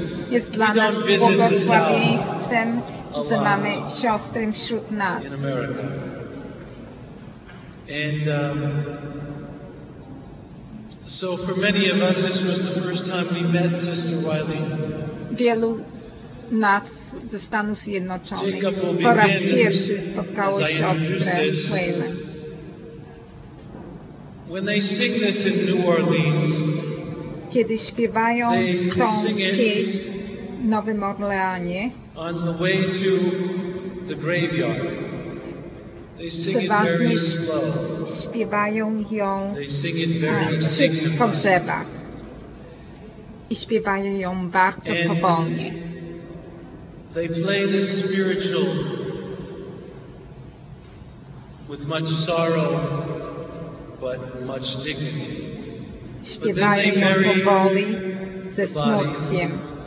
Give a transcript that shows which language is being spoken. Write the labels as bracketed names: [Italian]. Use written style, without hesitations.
[Polish] Jest dla nas błogosławieństwem, że mamy siostry wśród nas. [English] And so for many of us this was the first time we met Sister Wiley. [Polish] Wielu nas ze Stanów Zjednoczonych po raz pierwszy spotkało siostrę Wiley. [English] When they sing this in New Orleans, [Polish] kiedy śpiewają tą pieśń w Nowym Orleanie, [English] on the way to the graveyard, [Polish] przeważnie śpiewają ją przy pogrzebach i śpiewają ją bardzo powolnie. [English] They play this spiritual with much sorrow, but much dignity. [Polish] Śpiewają ją powoli ze smutkiem.